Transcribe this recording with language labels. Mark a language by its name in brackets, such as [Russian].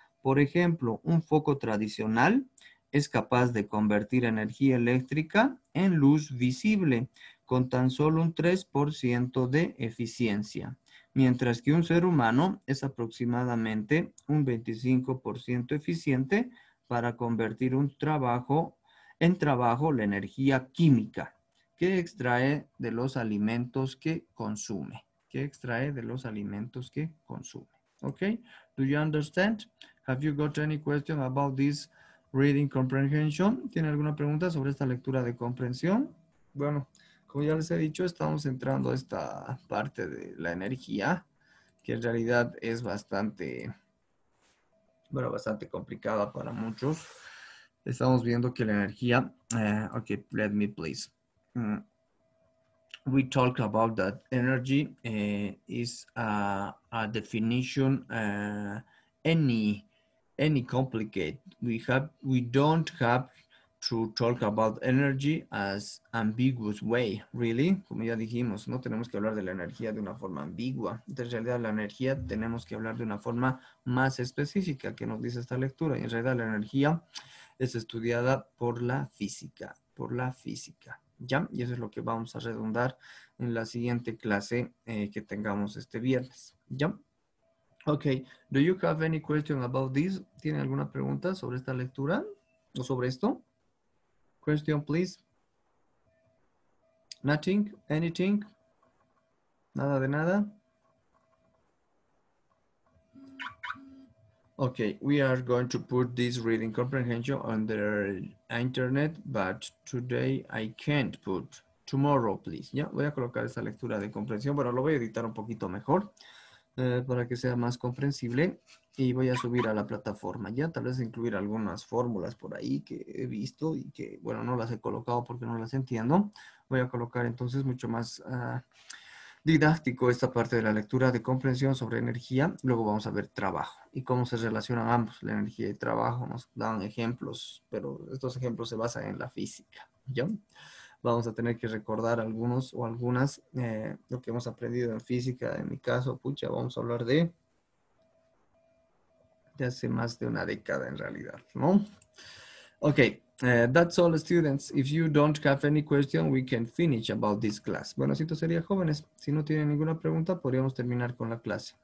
[Spanish] Por ejemplo, un foco tradicional es capaz de convertir energía eléctrica en luz visible con tan solo un 3% de eficiencia, mientras que un ser humano es aproximadamente un 25% eficiente para convertir un trabajo en trabajo la energía química que extrae de los alimentos que consume. Que extrae de los alimentos que consume. [English] Okay, do you understand? Have you got any question about this reading comprehension? [Spanish] ¿Tiene alguna pregunta sobre esta lectura de comprensión? Bueno, como ya les he dicho, estamos entrando a esta parte de la energía, que en realidad es bastante, bueno, bastante complicada para muchos. Estamos viendo que la energía, [English] okay, let me please. We talk about that energy is a definition any complicate. We don't have to talk about energy as ambiguous way, really. [Spanish] Como ya dijimos, no tenemos que hablar de la energía de una forma ambigua. En realidad, la energía tenemos que hablar de una forma más específica que nos dice esta lectura. Y en realidad, la energía es estudiada por la física, ¿Ya? Y eso es lo que vamos a redundar en la siguiente clase que tengamos este viernes. [English] ¿Ya? Ok. Do you have any question about this? [Spanish] ¿Tiene alguna pregunta sobre esta lectura? ¿O sobre esto? [English] Question, please. Nothing? Anything? [Spanish] ¿Nada de nada? [English] Ok. We are going to put this reading comprehension on the internet, but today I can't put. Tomorrow, please. [Spanish] Ya, voy a colocar esa lectura de comprensión. Bueno, lo voy a editar un poquito mejor para que sea más comprensible. Y voy a subir a la plataforma. Ya, tal vez incluir algunas fórmulas por ahí que he visto y que, bueno, no las he colocado porque no las entiendo. Voy a colocar entonces mucho más didáctico esta parte de la lectura de comprensión sobre energía. Luego vamos a ver trabajo y cómo se relacionan ambos, la energía y trabajo. Nos dan ejemplos, pero estos ejemplos se basan en la física. Ya, vamos a tener que recordar algunos o algunas lo que hemos aprendido en física. En mi caso, pucha, vamos a hablar de hace más de una década en realidad, ¿no? [English] Ok, that's all, students. If you don't have any question, we can finish about this class. [Spanish] Bueno, si esto sería, jóvenes, si no tienen ninguna pregunta, podríamos terminar con la clase.